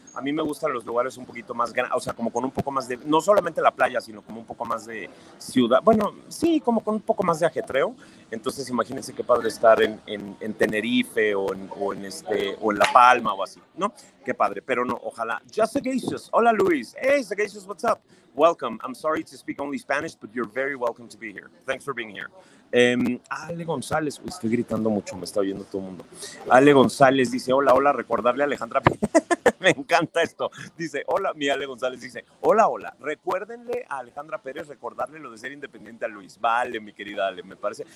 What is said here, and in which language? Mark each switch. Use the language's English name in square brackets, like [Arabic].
[Spanish] A mí me gustan los lugares un poquito más grandes, o sea, como con un poco más de, no solamente la playa, sino como un poco más de ciudad. Bueno, sí, como con un poco más de ajetreo. Entonces imagínense qué padre estar en Tenerife o en La Palma o así, ¿no? Qué padre, pero no, ojalá. Just Sagacious, hola Luis. [English] Hey, Sagacious, what's up? Welcome. I'm sorry to speak only Spanish, but you're very welcome to be here. Thanks for being here. [Spanish] Ale González, estoy gritando mucho, me está oyendo todo el mundo. Ale González dice, hola, hola, recordarle a Alejandra. Me encanta esto. Dice, hola, mi Ale González dice, hola, hola, recuérdenle a Alejandra Pérez recordarle lo de ser independiente a Luis. Vale, mi querida Ale, me parece.